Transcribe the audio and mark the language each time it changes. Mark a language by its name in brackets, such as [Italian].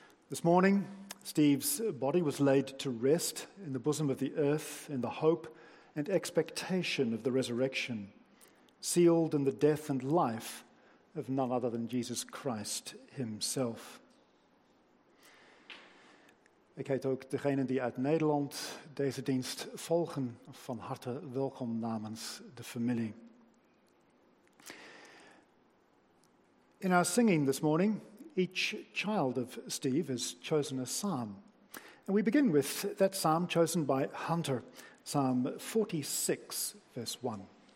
[English] This morning, Steve's body was laid to rest in the bosom of the earth in the hope and expectation of the resurrection, sealed in the death and life of none other than Jesus Christ himself. [Dutch] Ik heet ook degenen die uit Nederland deze dienst volgen van harte welkom namens de familie. [English] In our singing this morning, each child of Steve has chosen a psalm. And we begin with that psalm chosen by Hunter, Psalm 46, verse 1.